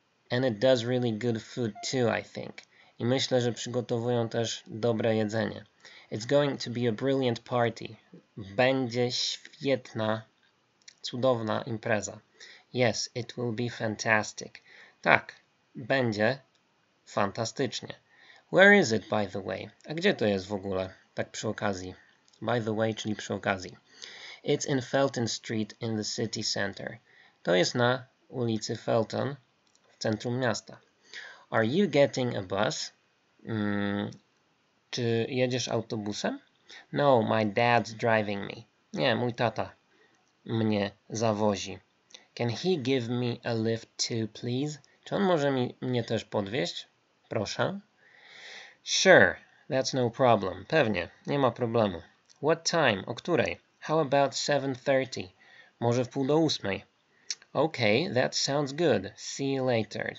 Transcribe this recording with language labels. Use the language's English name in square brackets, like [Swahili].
[English] And it does really good food too, I think. [Polish] I myślę, że przygotowują też dobre jedzenie. [English] It's going to be a brilliant party. [Polish] Będzie świetna, cudowna impreza. [English] Yes, it will be fantastic. [Polish] Tak, będzie fantastycznie. [English] Where is it, by the way? [Polish] A gdzie to jest w ogóle? Tak przy okazji. By the way, czyli przy okazji. [English] It's in Felton Street in the city center. [Polish] To jest na ulicy Felton w centrum miasta. [English] Are you getting a bus? [Polish] Czy jedziesz autobusem? [English] No, my dad's driving me. [Polish] Nie, mój tata mnie zawozi. [English] Can he give me a lift too, please? [Polish] Czy on może mnie też podwieźć? [English] Proszę. Sure, that's no problem. [Polish] Pewnie, nie ma problemu. [English] What time? [Polish] O której? [English] How about 7:30? [Polish] Może w pół do ósmej. [English] Okay, that sounds good. See you later.